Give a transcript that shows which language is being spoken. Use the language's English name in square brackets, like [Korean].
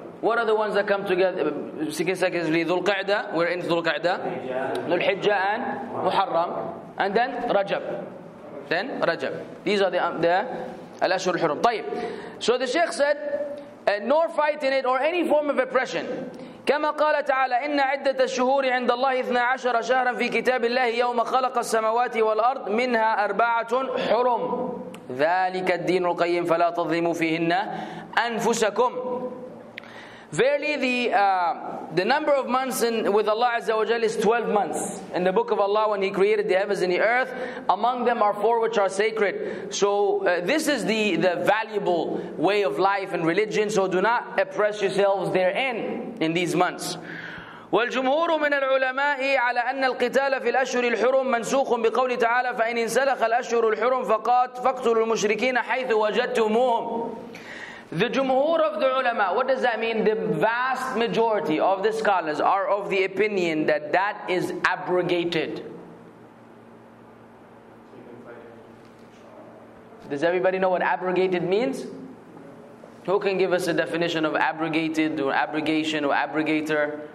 [English] What are the ones that come together consecutively? Dhul Qa'dah, we're in Dhul Qa'dah. Dhul Hijjah and Muharram. And then Rajab. Then Rajab. These are the Al-Ashhur al-Hurum. [Arabic] طيب. [English] So the Sheikh said, nor fight in it or any form of oppression. [Arabic] كما قال تعالى إن عدة الشهور عند الله 12 شهرا في كتاب الله يوم خلق السماوات والأرض منها أربعة حرم ذلك الدين القيم فلا تظلموا فيهن أنفسكم. [English] Verily the number of months in with Allah Azza wa Jalla is 12 months in the book of Allah when He created the heavens and the earth. Among them are four which are sacred. So this is the valuable way of life and religion. So do not oppress yourselves therein in these months. [Arabic] والجمهور من العلماء على أن القتال في الأشهر الحرم منسوخ بقول تعالى فإن انسلخ الأشهر الحرم فاقتلوا المشركين حيث وجدتموهم. [English] The jumhur of the ulama, what does that mean? The vast majority of the scholars are of the opinion that that is abrogated. Does everybody know what abrogated means? Who can give us a definition of abrogated or abrogation or abrogator?